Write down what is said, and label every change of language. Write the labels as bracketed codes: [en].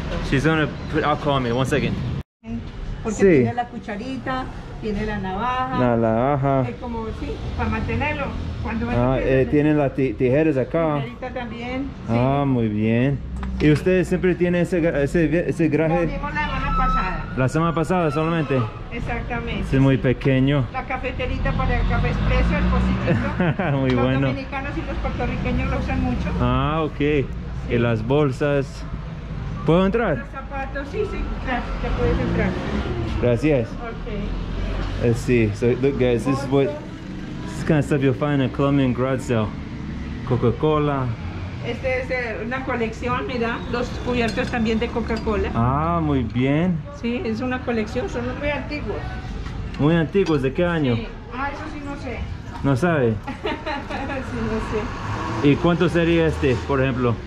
[en] She's gonna put alcohol on me, 1 second. [es] Sí. Tiene la cucharita, tiene la navaja. La navaja. Es como, sí, para mantenerlo. Ah, tiene las tijeras acá. Tijerita también. Sí. Ah, muy bien. ¿Y ustedes siempre tienen ese graje? La semana pasada solamente. Exactamente. Es muy pequeño. La cafeterita para el café expreso, el pocillito. Muy los bueno. Los dominicanos y los puertorriqueños lo usan mucho. Ah, ok. Sí. Y las bolsas. ¿Puedo entrar? Los zapatos, sí, sí, claro, ya puedes entrar. Gracias. Ok. [en] Let's see. So, look, guys, this is what. This is kind of stuff you'll find in a Colombian garage sale. [es] Coca-Cola. Este es una colección, mira, los cubiertos también de Coca-Cola. Ah, muy bien. Sí, es una colección, son muy antiguos. Muy antiguos, ¿de qué año? Sí. Ah, eso sí no sé. ¿No sabe? Sí, no sé. ¿Y cuánto sería este, por ejemplo?